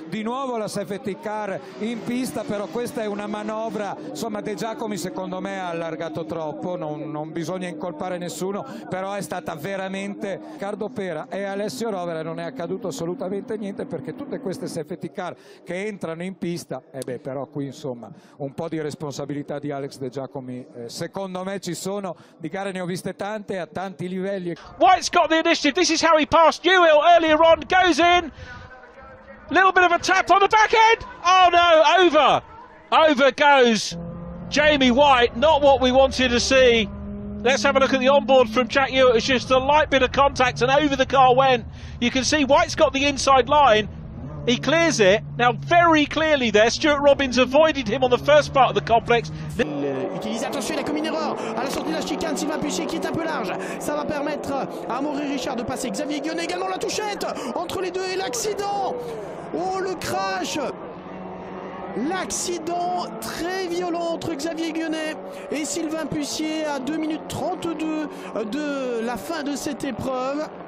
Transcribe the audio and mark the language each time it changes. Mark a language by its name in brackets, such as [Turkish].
[Italian] Di nuovo la safety car in pista, però questa è una manovra, insomma, De Giacomi secondo me ha allargato troppo, non bisogna incolpare nessuno, però è stata veramente Riccardo Pera e Alessio Rovere, non è accaduto assolutamente niente, perché tutte queste safety car che entrano in pista, però qui insomma un po' di responsabilità di Alex De Giacomi secondo me ci sono. Di gare ne ho viste tante a tanti livelli. [English] White's got the initiative, this is how he passed Ewell earlier on, goes in, little bit of a tap on the back end, oh no, over goes Jamie White, not what we wanted to see. Let's have a look at the onboard from Jack Ewell. It's just a light bit of contact and over the car went. You can see White's got the inside line. He clears it. Now, very clearly there, Stuart Robbins avoided him on the first part of the complex. [French] Utilise, attention, il a commis une erreur à la sortie de la chicane. Sylvain Péché qui est un peu large. Ça va permettre à Amaury Richard de passer. Xavier Guionnet également la touchette entre les deux et l'accident. Oh, le crash. L'accident très violent entre Xavier Guionnet et Sylvain Pussier à 2 minutes 32 de la fin de cette épreuve.